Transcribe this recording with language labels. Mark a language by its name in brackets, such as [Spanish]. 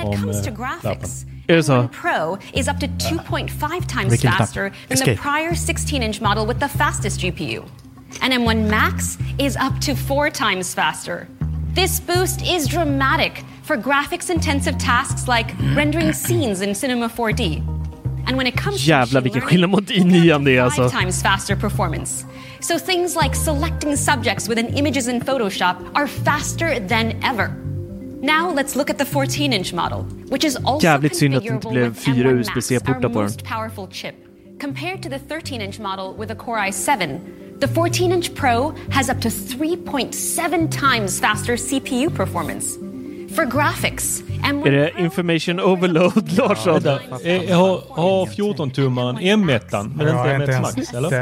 [English] it comes to graphics, M1 Pro is up to 2.5 times faster than the prior 16-inch model with the fastest GPU. And M1 Max is up to 4 times faster. This boost is dramatic for graphics-intensive tasks like rendering scenes in Cinema 4D. And when it comes [Swedish] to jävla vilken skillnad mot i9:an det är alltså. [English] Five times faster performance. So things like selecting subjects within images in Photoshop are faster than ever. Now let's look at the 14-inch model, which is also [Swedish] jävligt synd att det inte blev fyra USB-C-portar på den. [English] Compared to the 13-inch model with a Core i7, the 14-inch Pro has up to 3.7 times faster CPU performance. For graphics, [Swedish] är det [English] information overload, [Swedish] Lars? Ja, har 14-tummaren M1-an, men inte M1 Max, eller?